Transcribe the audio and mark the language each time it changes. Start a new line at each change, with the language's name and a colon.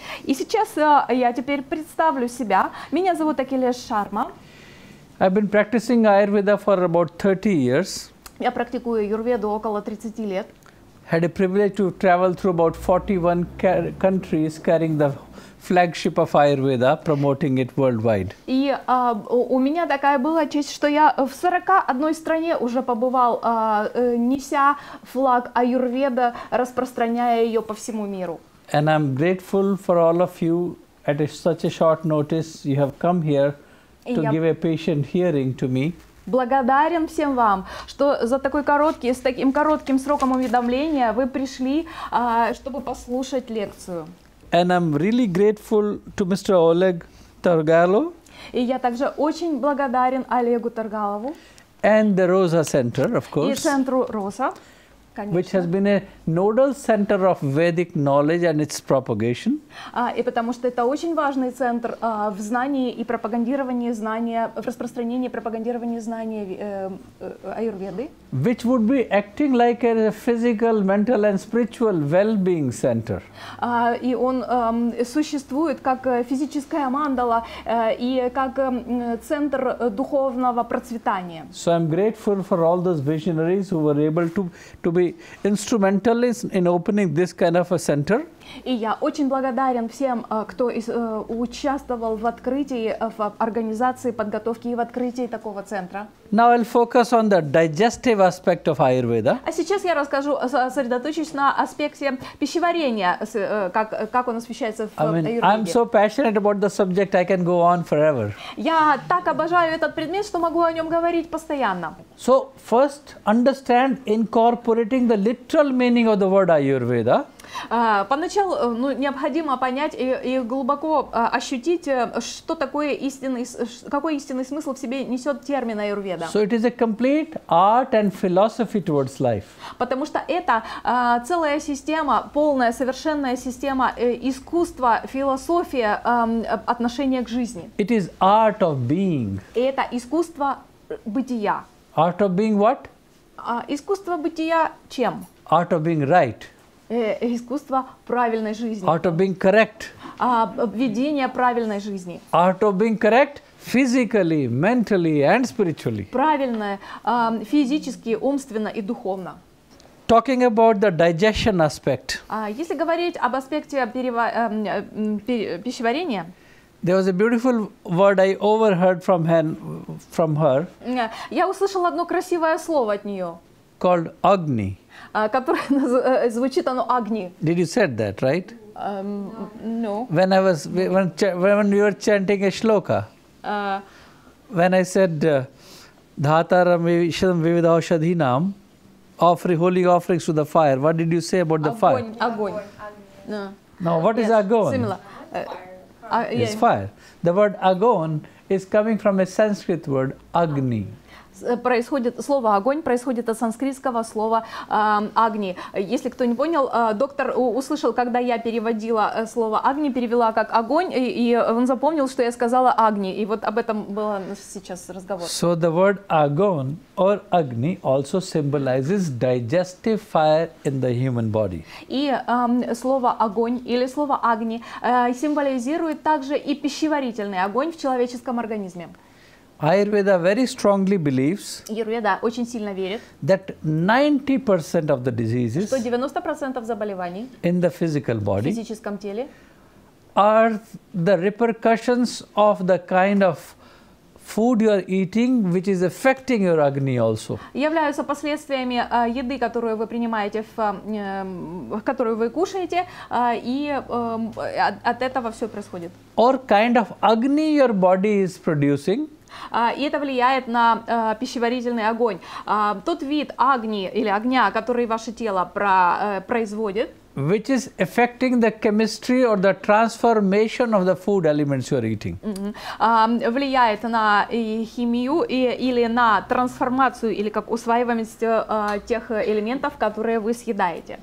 Russian: И сейчас я теперь представлю себя. Меня зовут Акилеша Шарма.
English: I've been practicing Ayurveda for about 30 years.
Russian: Я практикую аюрведу около 30 лет.
English: Had a privilege to travel through about 41 countries carrying the flagship of Ayurveda, promoting it worldwide.
Russian: И у меня такая была честь, что я в 41 стране уже побывал, неся флаг Аюрведа, распространяя ее по всему миру.
English: And I'm grateful for all of you at such a short notice you have come here to give a patient hearing to me.
Russian: Благодарен всем вам, что за такой короткий, с таким коротким сроком уведомления вы пришли, чтобы послушать лекцию.
English: And I'm really grateful to Mr. Oleg Torgalo.
Russian: И я также очень благодарен Олегу Торгалову.
English: And the Rosa Center, of course.
Russian: И центру Роза, конечно.
English: Which has been a nodal center of Vedic knowledge and its propagation.
Russian: И потому что это очень важный центр в знании и пропагандировании знания, в распространении и пропагандировании знания аюрведы.
English: Which would be acting like a physical, mental and spiritual well-being center.
Russian: И он существует как физическая мандала и как центр духовного процветания.
English: So I'm grateful for all those visionaries who were able to be instrumental in opening this kind of a center.
Russian: И я очень благодарен всем, кто участвовал в открытии, в организации подготовки и в открытии такого центра.
English: Now I'll focus on the digestive aspect of Ayurveda.
Russian: А сейчас я расскажу, сосредоточусь на аспекте пищеварения, как он освещается в Аюрведе.
English: I'm so passionate about the subject, I can go on forever.
Russian: Я так обожаю этот предмет, что могу о нем говорить постоянно.
English: So first, understand incorporating the literal meaning of the word Ayurveda.
Russian: Поначалу необходимо понять и глубоко ощутить, что такое какой истинный смысл в себе несет термин аюрведа.
English: So it is a complete art and philosophy towards life.
Russian: Потому что это целая система, полная, совершенная система искусства, философия отношения к жизни.
English: It is art of being.
Russian: И это искусство бытия.
English: Art of being what?
Russian: Искусство бытия чем?
English: Art of being right.
Russian: Искусство правильной жизни.
English: Art of being correct.
Russian: Ведение правильной жизни.
English: Art of being correct physically, mentally and spiritually.
Russian: Правильное физически, умственно и духовно.
English: Talking about the digestion aspect.
Russian: Если говорить об аспекте пищеварения.
English: There was a beautiful word I overheard from her.
Russian: Я услышал одно красивое слово от нее.
English: Called Agni.
Russian: Которое звучит оно Агни.
English: Did you said that, right? No. When I was when we were chanting a shloka. When I said
Sanskrit: dhataram visham vivida aushadhi nam
English: offering holy offerings to the fire. What did you say about the fire? Agon. No. No, what is agon? Similar. It's fire. The word agon is coming from a Sanskrit word Agni.
Russian: Происходит слово огонь, происходит от санскритского слова агни. Если кто не понял, доктор услышал, когда я переводила слово агни, перевела как огонь, и он запомнил, что я сказала агни. И вот об этом было сейчас разговор.
English: So the word agon or agni also symbolizes digestive fire in the human body.
Russian: И слово огонь или слово агни символизирует также и пищеварительный огонь в человеческом организме.
English: Ayurveda very strongly believes
Russian: Ayurveda очень сильно верит
English: that 90% of the diseases
Russian: 90% заболеваний
English: in the physical body
Russian: в физическом теле
English: are the repercussions of the kind of food you are eating which is affecting your agni also
Russian: являются последствиями еды, которую вы принимаете которую вы кушаете, и от этого все происходит.
English: Or kind of agni your body is producing.
Russian: И это влияет на пищеварительный огонь. Тот вид агни или огня, который ваше тело производит.
English: which is affecting the chemistry or the transformation of the food elements you are eating.
Russian: Влияет на химию или на трансформацию или как усваиваемость тех элементов, которые вы съедаете.